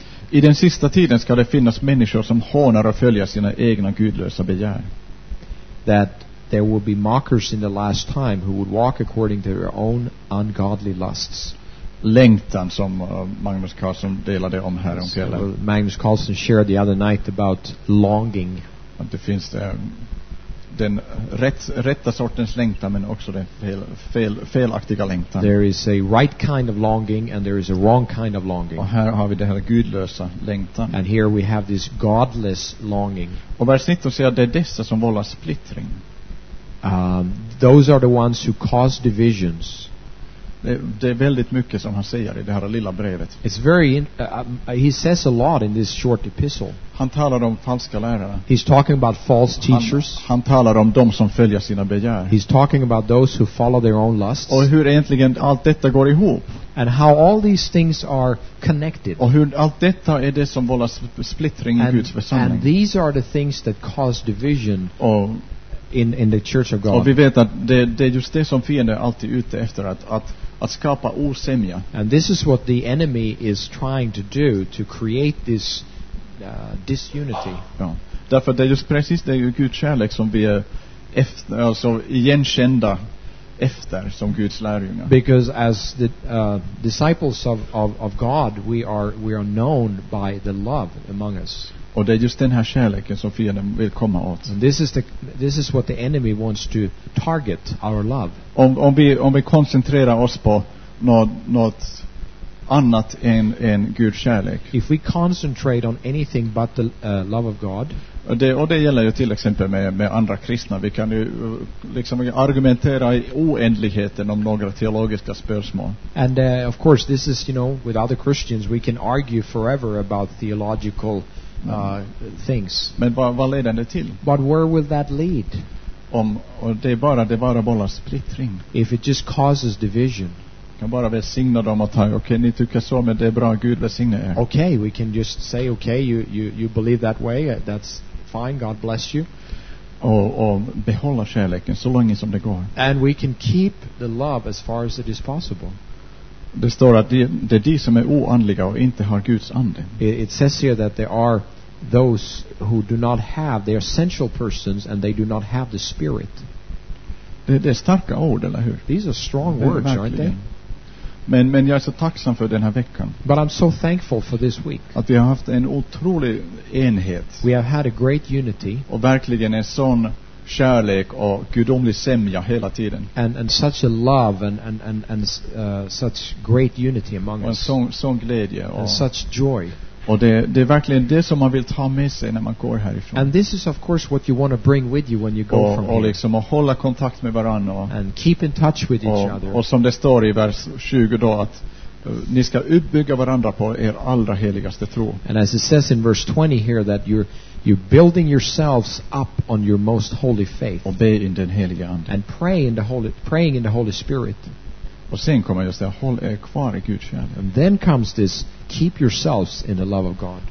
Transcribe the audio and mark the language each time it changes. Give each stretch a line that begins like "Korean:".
Swedish: I den sista tiden ska det finnas människor som hånar och följer sina egna gudlösa begär.
English: That there will be mockers in the last time who would walk according to their own ungodly lusts.
Swedish: Längtan som Magnus Carlsson delade om här om kvällen.
English: Magnus Carlsson shared the other night about longing.
Swedish: Att det finns den rätta sortens längtan men också den felaktiga längtan.
English: There is a right kind of longing and there is a wrong kind of longing.
Swedish: Och här har vi den här gudlösa längtan.
English: And here we have this godless longing.
Swedish: Och vers 19 säger att det är dessa som vållar splittring.
English: Those are the ones who cause divisions.
Swedish: Det är väldigt mycket som han säger i det här lilla brevet.
English: It's very he says a lot in this short epistle.
Swedish: Han talar om falska lärare.
English: He's talking about false teachers.
Swedish: Han talar om de som följer sina begär.
English: He's talking about those who follow their own lusts.
Swedish: Och hur egentligen allt detta går ihop.
English: And how all these things are connected.
Swedish: Och hur allt detta är det som vållar splittring i Guds församling.
English: And these are the things that cause division. In the church of God.
Swedish: Och vi vet att det är just det som fienden alltid ute efter att skapa osämja.
English: And this is what the enemy is trying to do to create this disunity.
Swedish: Ja. Därför det är just precis det ju Guds kärlek som vi är efter, alltså igenkända efter som Guds lärjungar.
English: Because as the disciples of God, we are known by the love among us.
Swedish: Och det är just den här kärleken som fienden vill komma åt.
English: This is what the enemy wants to target, our love.
Swedish: Om vi koncentrerar oss på något annat än Guds kärlek.
English: If we concentrate on anything but the love of God.
Swedish: Och det gäller ju till exempel med andra kristna. Vi kan ju liksom argumentera i oändligheten om några teologiska spörsmål.
English: And of course this is, you know, with other Christians we can argue forever about theological things.
Swedish: Men vad leder det till?
English: But where will that lead?
Swedish: Om det bara bollar splittring.
English: If it just causes division.
Swedish: Kan bara välsigna dem och säga, okej, ni tycker så, men det är bra, Gud välsigna er.
English: Okay, we can just say, okay, you believe that way, that's fine, God bless you.
Swedish: Och behålla kärleken så länge som det går.
English: And we can keep the love as far as it is possible.
Swedish: Det står att det är de som är oandliga och inte har Guds ande.
English: It says here that there are those who do not have, they are sensual persons and they do not have the spirit.
Swedish: Det är starka ord, eller hur?
English: These are strong words, aren't they?
Swedish: Men jag är så tacksam för den här veckan.
English: But I'm so thankful for this week.
Swedish: Att vi har haft en otrolig enhet.
English: We have had a great unity.
Swedish: Och verkligen en sån kärlek och gudomlig sämja hela tiden.
English: And such a love and such great unity among us.
Swedish: Sån glädje och
English: such joy.
Swedish: Och det är verkligen det som man vill ta med sig när man går härifrån.
English: And this is of course what you want to bring with you when you go from here.
Swedish: Och liksom att hålla kontakt med varandra.
English: And keep in touch with each other.
Swedish: Och som det står i vers 20 då att ni ska uppbygga varandra på er allra heligaste tro.
English: And as it says in verse 20 here that you're building yourselves up on your most holy faith.
Swedish: Och be in den helige ande.
English: And praying in the Holy Spirit.
Swedish: Och sen kommer just det, håll er kvar i Guds kärlek.
English: And then comes this, keep yourselves in the love of God.